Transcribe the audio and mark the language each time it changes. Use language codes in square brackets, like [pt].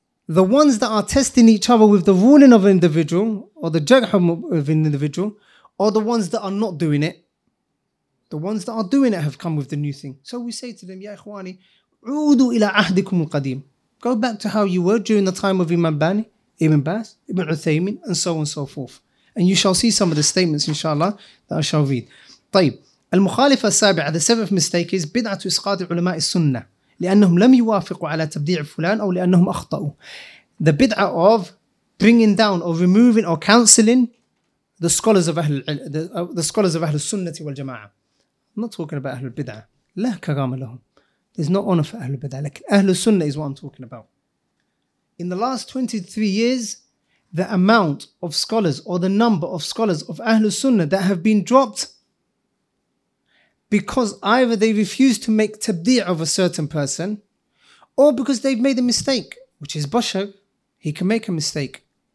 [en] The ones that are testing each other with the ruling of an individual, or the jarh of an individual, or the ones that are not doing it. The ones that are doing it have come with the new thing. So we say to them, [ar] يَا إِخْوَانِي, عُودُوا إِلَىٰ عَهْدِكُمُ الْقَدِيمُ. [en] Go back to how you were during the time of Imam Bani, Ibn Baz, Ibn Uthaymin, and so on and so forth. And you shall see some of the statements, inshallah, that I shall read. [ar] طيب, المخالفة السابعة, [en] the seventh mistake is [ar] بدعة إسقاط علماء السنة لأنهم لم يوافقوا على تبديع فلان أو لأنهم أخطأوا. [en] The بدعة of bringing down or removing or cancelling the scholars of أهل the scholars of أهل السنة والجماعة. I'm not talking about أهل البدعة. [ar] لا كرامة لهم. [en] There's no honor for Ahlul Bid'ah. Like, Ahlul Sunnah is what I'm talking about. In the last 23 years, the amount of scholars or the number of scholars of Ahlul Sunnah that have been dropped because either they refuse to make tabdi' of a certain person or because they've made a mistake, which is Bashar, he can make a mistake.